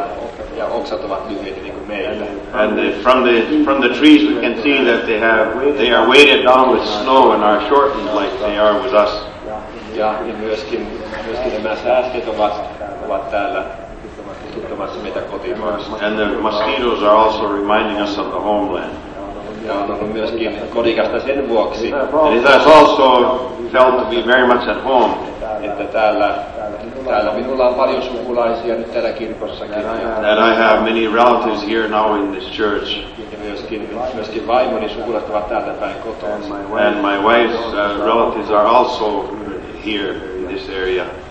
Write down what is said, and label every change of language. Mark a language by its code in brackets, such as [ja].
[en] And from the trees we can see that they are weighted down with snow and are shortened like they are with us. [fi] Ja myöskin nämä sääsket ovat täällä tuttumassa meitä kotimaassa. [en] And the mosquitoes are also reminding us of the homeland. [fi] Ja on ollut myöskin kodikasta sen vuoksi. [en] And it has also felt to be very much at home. [fi] Että täällä minulla on paljon sukulaisia nyt täällä kirkossakin. [en] That I have many relatives here now in this church. [fi] Myöskin vaimoni sukulaiset ovat täältä päin kotoa. [en] And my wife's relatives are also here in this area.